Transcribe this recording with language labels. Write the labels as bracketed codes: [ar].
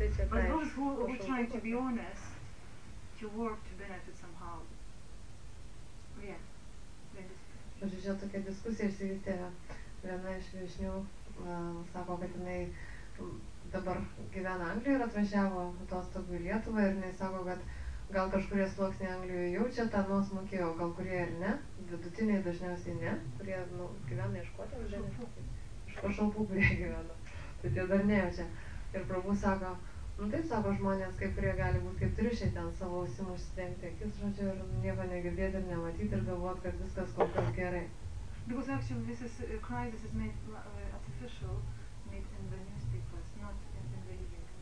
[en] But those who try to be honest, to work to benefit somehow. Yeah. [lt] Žodžiu, tokia diskusija išsivystė, viena iš viešnių sako, kad jinai dabar gyvena Anglijoje ir atvažiavo atostogų į Lietuvą ir jinai sako, kad gal kažkurie sluoksniai Anglijoje jaučia tą nuosmukį, o gal kurie ir ne, vidutiniai dažniausiai ne, kurie nu, gyvena iškuotėms žemės, iš pašalpų, kurie gyvena, tai tie dar nejaučia. Ir prabu sako, nu taip sako žmonės, kaip kurie gali būti kaip triušiai ten savo ausim užsidengti akis, žodžiu, ir nieko negirdėti ir nematyti ir galvoti, kad viskas kol kas gerai. [en] Because actually this is, crisis is made artificial, made in the newspapers, not in the reading.